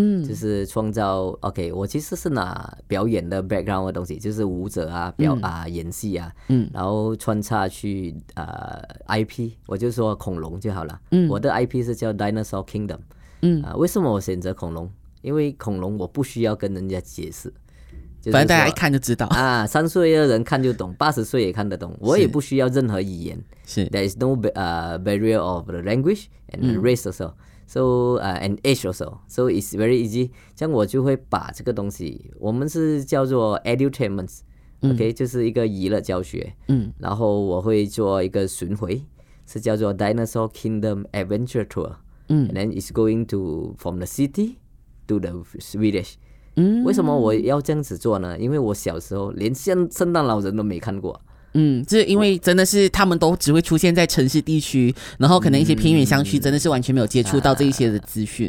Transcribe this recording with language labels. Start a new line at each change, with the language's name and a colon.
Chinese: 就是创造 OK， 我其实是拿表演的 background 的东西，就是舞者啊表啊演戏啊，然后穿插去IP， 我就说恐龙就好了。我的 IP 是叫 Dinosaur Kingdom。为什么我选择恐龙？因为恐龙我不需要跟人家解释，就是，反正大家一看就知道啊，三岁的人看就懂，八十岁也看得懂，我也不需要任何语言，是
English: There is no barrier of the language and race also。 So and age also, so it's very easy.
Chinese: 像我就会把这个东西，我们是叫做 edutainment， OK， 就是一个娱乐教学。然后我会做一个巡回，是叫做 Dinosaur Kingdom Adventure Tour。
English: And then it's going to from the city to the Swedish。
Chinese: 为什么我要这样子做呢？因为我小时候连像圣诞老人都没看过。就是因为真的是他们都只会出现在城市地区，然后可能一些偏远乡区真的是完全没有接触到这一些的资讯。